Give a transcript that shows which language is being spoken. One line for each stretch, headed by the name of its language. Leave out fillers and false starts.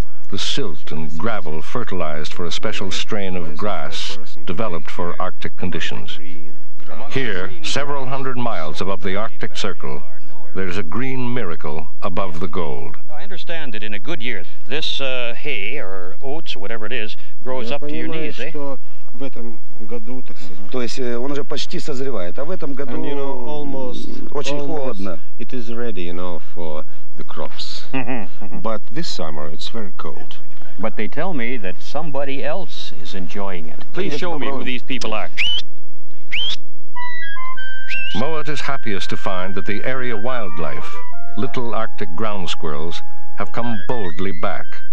English: The silt and gravel fertilized for a special strain of grass developed for Arctic conditions. Here, several hundred miles above the Arctic Circle, there's a green miracle above the gold. I understand that in a good year, this hay or oats, whatever it is, grows up to your knees, eh?
Russian: То есть он уже почти созревает, а в этом году очень холодно.
English: It is ready, you know, for the crops. But this summer it's very cold. But they tell me that somebody else is enjoying it. Please show me who these people are. Mowat is happiest to find that the area wildlife, little Arctic ground squirrels, have come boldly back.